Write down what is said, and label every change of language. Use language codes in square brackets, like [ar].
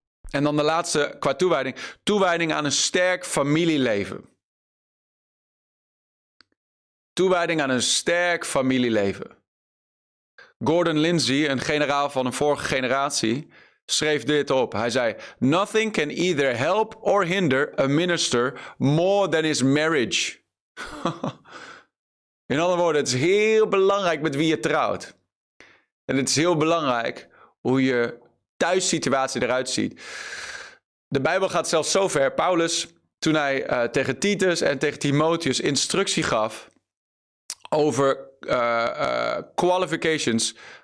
[nl] En dan de laatste qua toewijding. Toewijding aan een sterk familieleven. Toewijding aan een sterk familieleven. Gordon Lindsay, een generaal van een vorige generatie, schreef dit op. Hij zei, [en] nothing can either help or hinder a minister more than his marriage. [nl] In andere woorden, het is heel belangrijk met wie je trouwt. En het is heel belangrijk hoe je thuissituatie eruit ziet. De Bijbel gaat zelfs zo ver. Paulus, toen hij tegen Titus en tegen Timotheus instructie gaf over qualifications.